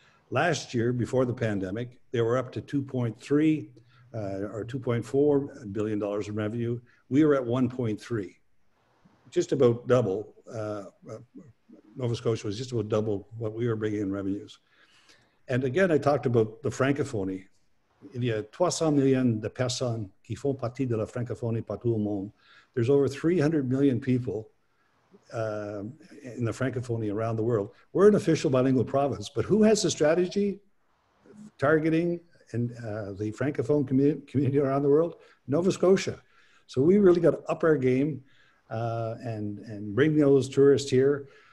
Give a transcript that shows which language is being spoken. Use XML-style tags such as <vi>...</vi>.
<en>Last year, before the pandemic, they were up to $2.4 billion in revenue. We were at 1.3, just about double. Nova Scotia was just about double what we were bringing in revenues. And again, I talked about the francophonie.</en> <fr>Il y a 300 million de personnes qui font partie de la francophonie partout au monde.</fr> <en>There's over 300 million people in the francophonie around the world. We're an official bilingual province, but who has the strategy targeting and the francophone community around the world? Nova Scotia. So we really got to up our game and bring those tourists here.</en>